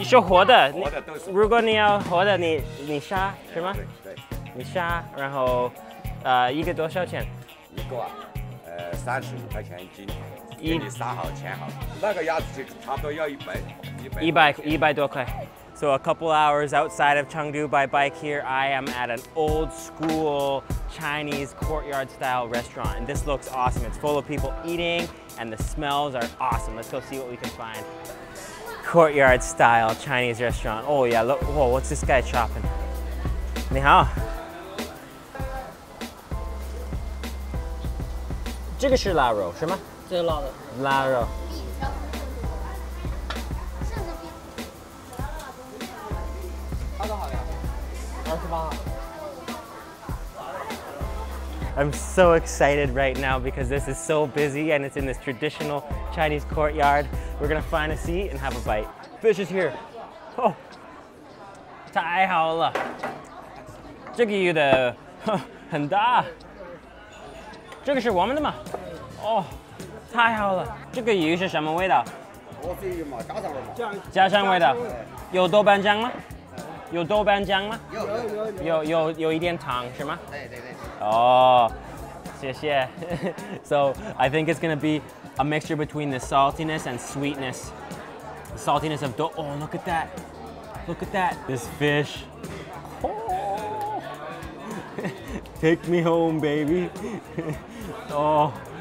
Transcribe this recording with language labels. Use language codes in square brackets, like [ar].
[en] If you want to live, you kill it, right? You kill it. And then, how much is it? [zh] 一个，三十五块钱一斤，给你杀好钱好，那个鸭子就差不多要一百，一百多块。 [en] So a couple hours outside of Chengdu by bike here, I am at an old school Chinese courtyard style restaurant. And this looks awesome. It's full of people eating and the smells are awesome. Let's go see what we can find. Courtyard style Chinese restaurant. Oh yeah, look, whoa, what's this guy chopping? [zh] 你好. 这个是腊肉，是吗? 这是腊肉。腊肉。 [en] I'm so excited right now because this is so busy and it's in this traditional Chinese courtyard. We're gonna find a seat and have a bite. Fish is here. [zh] Oh, 太好了，这个鱼的很大。这个是我们的吗？ Oh, 太好了，这个鱼是什么味道？我这鱼嘛，家乡味。家乡味的，有豆瓣酱吗？有豆瓣酱吗？有，有一点糖是吗？对对对。哦，谢谢。 [en] So I think it's gonna be a mixture between the saltiness and sweetness. The saltiness of oh look at that, look at that. This fish. Oh. Take me home, baby. Oh.